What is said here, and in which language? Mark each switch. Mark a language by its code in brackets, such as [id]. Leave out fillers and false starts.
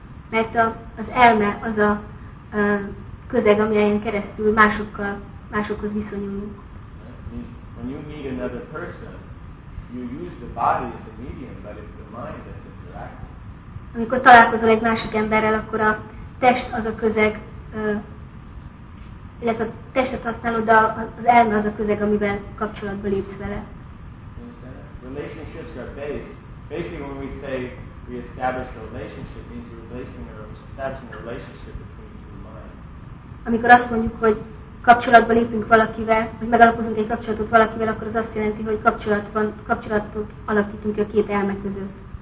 [hu] Mert az elme az a közeg, amelyen keresztül másokhoz viszonyulunk. [en] When you meet another person, you use the body as a medium, but it's the mind that's interacting. [hu] Amikor találkozol egy másik emberrel, akkor a test az a közeg, illetve a testet használod, de az elme az a közeg, amivel kapcsolatba lépsz vele. [en] Relationships are based. Basically, when we say we establish a relationship, means establishing a relationship between the mind. [hu] Amikor azt mondjuk, hogy kapcsolatba lépünk valakivel, vagy megalapozunk egy kapcsolatot valakivel, akkor az azt jelenti, hogy kapcsolatot alakítunk a két elme között.